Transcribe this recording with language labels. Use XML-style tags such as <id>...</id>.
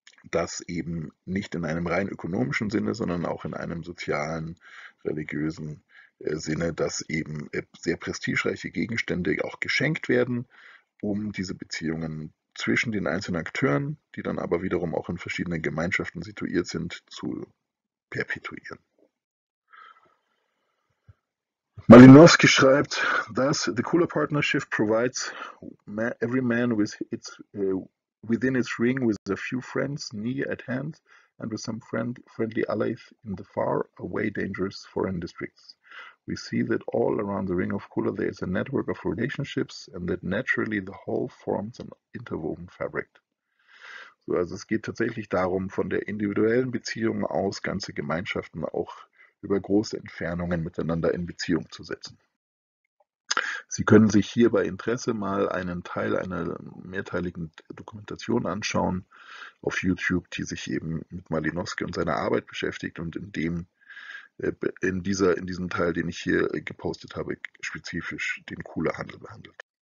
<de>Das eben nicht in einem rein ökonomischen Sinne, sondern auch in einem sozialen, religiösen Sinne, dass eben sehr prestigereiche Gegenstände auch geschenkt werden, um diese Beziehungen zwischen den einzelnen Akteuren, die dann aber wiederum auch in verschiedenen Gemeinschaften situiert sind, zu perpetuieren. Malinowski schreibt,</de> <en>thus the cooler partnership provides every man within its ring with a few friends near at hand and with some friendly allies in the far away dangerous foreign districts. We see that all around the ring of cooler there is a network of relationships and that naturally the whole forms an interwoven fabric.</en> <de>So, also es geht tatsächlich darum, von der individuellen Beziehung aus ganze Gemeinschaften auch über große Entfernungen miteinander in Beziehung zu setzen. Sie können sich hier bei Interesse mal einen Teil einer mehrteiligen Dokumentation anschauen auf YouTube, die sich eben mit Malinowski und seiner Arbeit beschäftigt und in diesem Teil, den ich hier gepostet habe, spezifisch den Kula-Handel behandelt.</de>